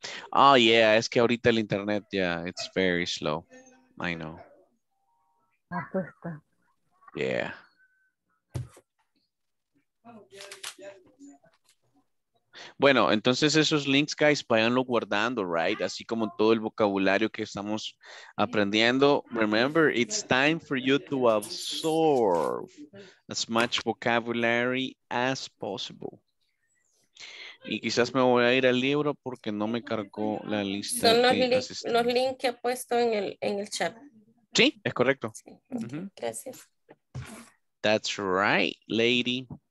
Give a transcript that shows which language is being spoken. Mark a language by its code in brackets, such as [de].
[en] Oh, yeah, [es] es que ahorita el internet, [en] yeah, it's very slow. I know. [es] Apuesta. [en] Yeah. [es] Bueno, entonces esos links, guys, váyanlo guardando, right? Así como todo el vocabulario que estamos aprendiendo. [en] Remember, it's time for you to absorb as much vocabulary as possible. [es] Y quizás me voy a ir al libro porque no me cargó la lista. Son los links que he puesto en el chat. Sí, es correcto. Sí. Mm-hmm. Gracias. [en] That's right, lady.